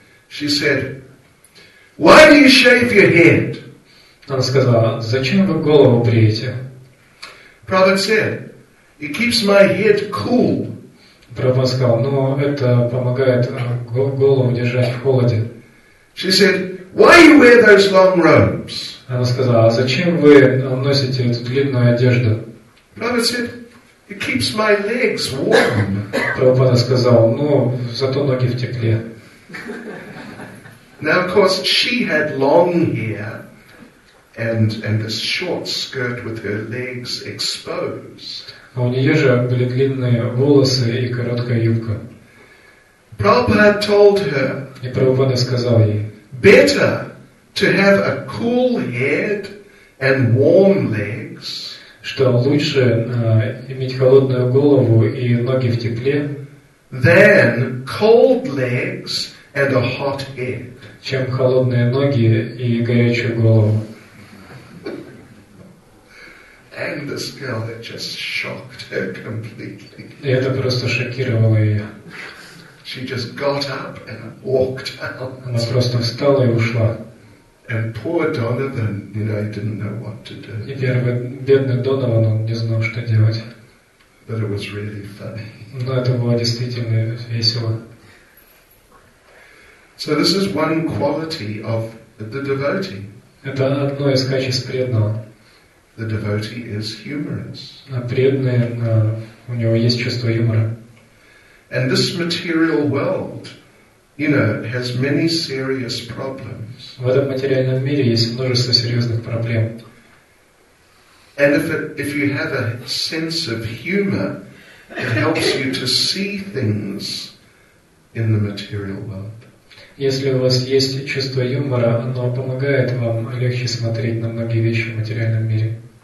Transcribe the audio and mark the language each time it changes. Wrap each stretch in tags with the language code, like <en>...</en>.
<en>She said, "Why do you shave your head?"</en> <ru>Она сказала, "Зачем вы голову бреете?"</ru> <en>Prabhupada said, "It keeps my head cool."</en> <ru>Прабхупада сказал, "Ну, это помогает голову держать в холоде."</ru> <en>She said, "Why you wear those long robes?"</en> <ru>Она сказала, "Зачем вы носите эту длинную одежду?"</ru> <en>Prabhupada said, "It keeps my legs warm."</en> <ru>Прабхупада сказал, "Ну, зато ноги в тепле."</ru> <en>Now, of course, she had long hair and this short skirt with her legs exposed.</en> <ru>У нее же были длинные волосы и короткая юбка.</ru> <en>Prabhupada told her,</en> <ru>и Прабхупада сказал ей,</ru> <en>better to have a cool head and warm legs,</en> <ru>что лучше иметь холодную голову и ноги в тепле,</ru> <en>than cold legs and a hot head,</en> <ru>чем холодные ноги и горячую голову.</ru> <en>And this girl had just shocked her completely.</en> <ru>И это просто шокировало ее.</ru> <en>She just got up and walked out.</en> <ru>Она просто встала и ушла.</ru> <en>And poor Donovan, you know, he didn't know what to do.</en> <ru>И бедный Донован, он не знал, что делать.</ru> <en>But it was really funny.</en> <ru>Но это было действительно весело.</ru> <en>So this is one quality of the devotee.</en> <ru>Это одно из качеств преданного.</ru> <en>The devotee is humorous.</en> <ru>Преданный, у него есть чувство юмора.</ru> <en>And this material world, you know, has many serious problems.</en> <ru>В этом материальном мире есть множество серьезных проблем.</ru> <en>And if you have a sense of humor, it helps you to see things in the material world.</en> <ru>Если у вас есть чувство юмора, оно помогает вам легче смотреть на многие вещи в материальном мире.</ru>